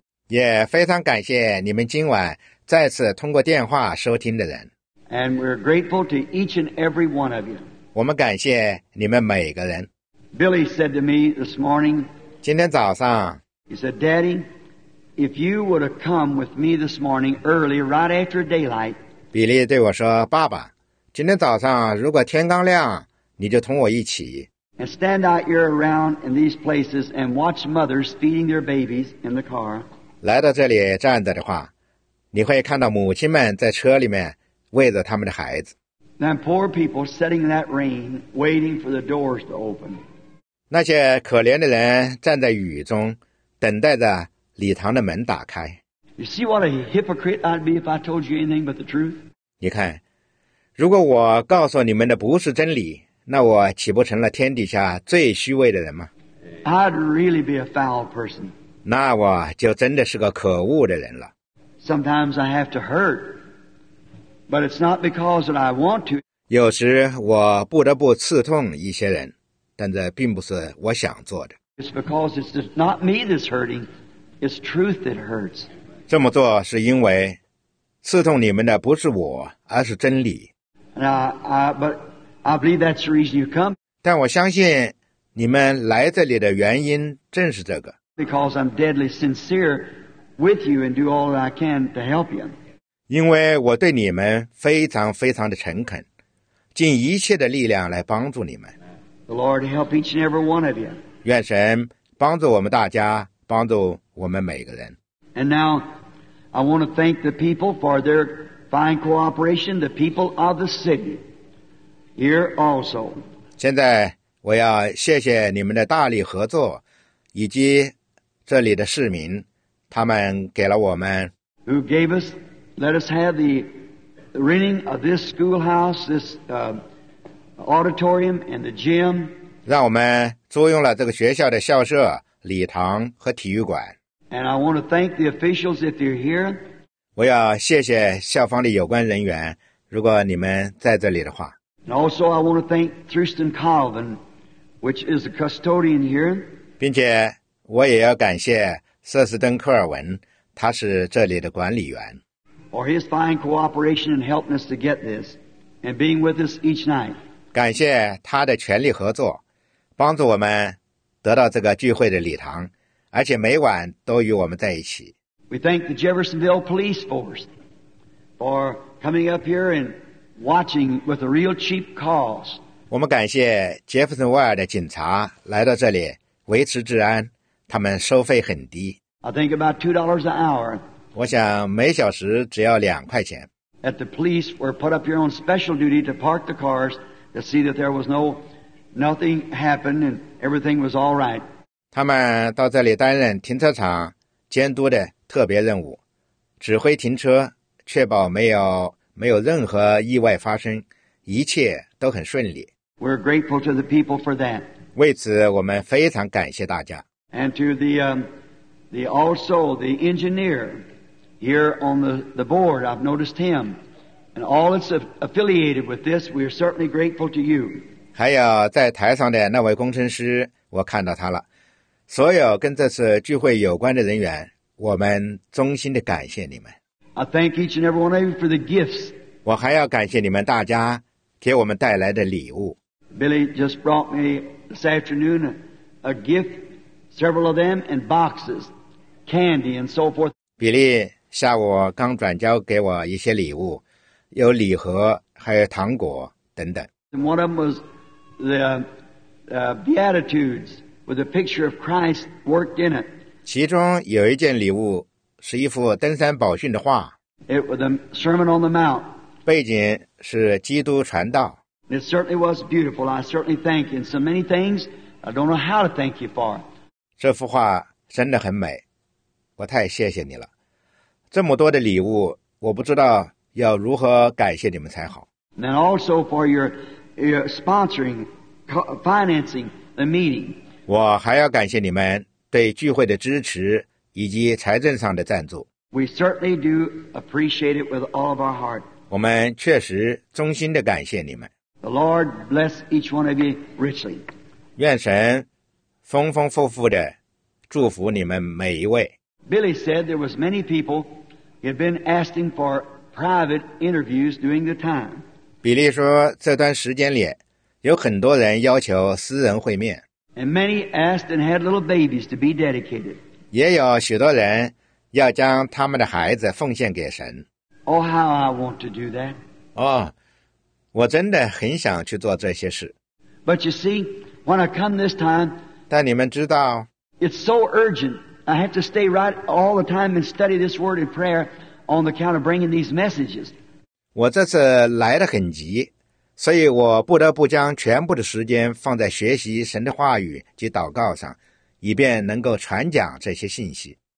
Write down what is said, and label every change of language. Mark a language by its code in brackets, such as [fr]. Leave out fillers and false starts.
[zh] 也非常感谢你们今晚再次通过电话收听的人。 [en] And we're grateful to each and every one of you. [zh] 我们感谢你们每个人。 [en] Billy said to me this morning, [zh] 今天早上 [en] he said, Daddy, if you would have come with me this morning early, right after daylight, [zh] 比利对我说，爸爸，今天早上如果天刚亮，你就同我一起。 [en] And stand out here around in these places and watch mothers feeding their babies in the car. [zh] 来到这里站着的话，你会看到母亲们在车里面喂着他们的孩子。 [en] Then poor people sitting in that rain, waiting for the doors to open. [zh] 那些可怜的人站在雨中，等待着礼堂的门打开。 [en] You see what a hypocrite I'd be if I told you anything but the truth? [zh] 你看，如果我告诉你们的不是真理，那我岂不成了天底下最虚伪的人吗？ [en] I'd really be a foul person. [zh] 那我就真的是个可恶的人了。 [en] Sometimes I have to hurt. But it's not because that I want to. [zh] 有时我不得不刺痛一些人，但这并不是我想做的。 [en] It's because it's not me that's hurting, it's truth that hurts. [zh] 这么做是因为刺痛你们的不是我，而是真理。 [en] But I believe that's the reason you come. [zh] 但我相信你们来这里的原因正是这个。 [en] Because I'm deadly sincere with you and do all that I can to help you. [zh] 因为我对你们非常非常的诚恳，尽一切的力量来帮助你们。 [en] The Lord help each and every one of you. [zh] 愿神帮助我们大家，帮助我们每个人。 [en] And now, I want to thank the people for their fine cooperation, the people of the city, here also. [zh] 现在我要谢谢你们的大力合作，以及这里的市民，他们给了我们。 [en] Who gave us? Let us have the renting of this schoolhouse, this auditorium and the gym. [zh] 让我们租用了这个学校的校舍、礼堂和体育馆。 [en] And I want to thank the officials if you're here. [zh] 我要谢谢校方的有关人员，如果你们在这里的话。 [en] And also I want to thank Thurston Calvin, which is the custodian here. [zh] 并且我也要感谢瑟斯登科尔文，他是这里的管理员。 [en] For his fine cooperation and helping us to get this, and being with us each night. [zh] 感谢他的全力合作，帮助我们得到这个聚会的礼堂，而且每晚都与我们在一起。 [en] We thank the Jeffersonville Police Force for coming up here and watching with a real cheap cause. [zh] 我们感谢杰弗森维尔的警察来到这里维持治安，他们收费很低。 [en] I think about $2 an hour. [zh] 我想每小时只要两块钱。 [en] At the police were put up here on special duty to park the cars to see that there was nothing happened and everything was all right. [zh] 他们到这里担任停车场监督的特别任务，指挥停车，确保没有任何意外发生，一切都很顺利。 [en] We're grateful to the people for that. [zh] 为此，我们非常感谢大家。 [en] And to the also the engineer. Here on the board, I've noticed him. And all that's affiliated with this, we are certainly grateful to you. [zh] 还有在台上的那位工程师，我看到他了。所有跟这次聚会有关的人员，我们衷心地感谢你们。 [en] I thank each and every one of you for the gifts. [zh] 我还要感谢你们大家给我们带来的礼物。 [en] Billy just brought me this afternoon a gift, several of them, and boxes, candy, and so forth. [zh] 比利下午刚转交给我一些礼物，有礼盒，还有糖果等等。 [en] And one of them was the Beatitudes with a picture of Christ worked in it. [zh] 其中有一件礼物是一幅登山宝训的画。 [en] It was a Sermon on the Mount. [zh] 背景是基督传道。 [en] It certainly was beautiful. I certainly thank you. And so many things, I don't know how to thank you for. [zh] 这幅画真的很美，我太谢谢你了。这么多的礼物，我不知道要如何感谢你们才好。 [en] And also for your sponsoring, financing the meeting. [zh] 我还要感谢你们对聚会的支持以及财政上的赞助。 [en] We certainly do appreciate it with all of our heart. [zh] 我们确实衷心地感谢你们。 [en] The Lord bless each one of you richly. [zh] 愿神丰丰富富地祝福你们每一位。 [en] Billy said there was many people who had been asking for private interviews during the time. [zh] 比利说这段时间里有很多人要求私人会面。 [en] And many asked and had little babies to be dedicated. [zh] 也有许多人要将他们的孩子奉献给神。 [en] Oh, how I want to do that. [zh] 哦，我真的很想去做这些事。 [en] But you see, when I come this time, [zh] 但你们知道， [en] it's so urgent. I have to stay right all the time and study this word in prayer on the count of bringing these messages. [zh] 我这次来得很急，所以我不得不将全部的时间放在学习神的话语及祷告上，以便能够传讲这些信息。